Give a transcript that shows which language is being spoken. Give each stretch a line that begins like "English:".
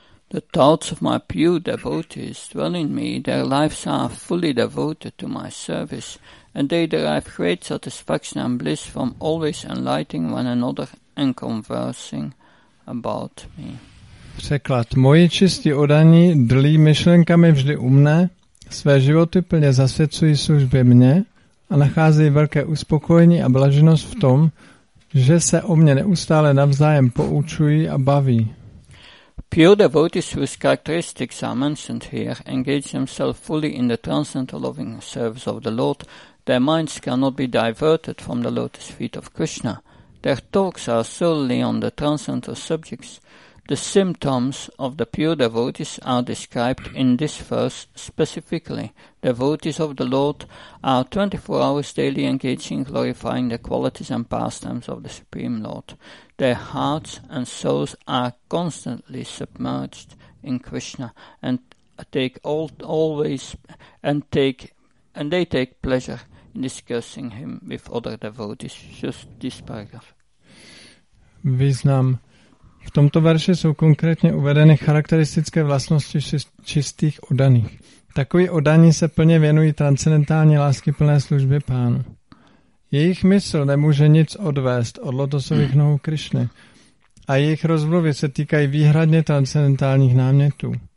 English: The thoughts of my pure devotees dwell in me. Their lives are fully devoted to my service. And they derive great satisfaction and bliss from always enlightening one another and conversing about me.
Czech: Překlad. Moji čistí odaní dlí myšlenkami vždy u mne, své životy plně zasvěcují službě mě a nacházejí velké uspokojení a blaženost v tom, že se o mě neustále navzájem poučují a baví.
English: Pure devotees whose characteristics are mentioned here engage themselves fully in the transcendental loving service of the Lord. Their minds cannot be diverted from the lotus feet of Krishna. Their talks are solely on the transcendental subjects. The symptoms of the pure devotees are described in this verse specifically. Devotees of the Lord are 24 hours daily engaged in glorifying the qualities and pastimes of the Supreme Lord. Their hearts and souls are constantly submerged in Krishna and take pleasure in discussing him with other devotees. Just this paragraph.
Czech: Vyznam. V tomto verši jsou konkrétně uvedeny charakteristické vlastnosti čistých oddaných. Takoví oddaní se plně věnují transcendentální lásky plné služby pánu. Jejich mysl nemůže nic odvést od lotosových nohou Krišny a jejich rozmluvy se týkají výhradně transcendentálních námětů.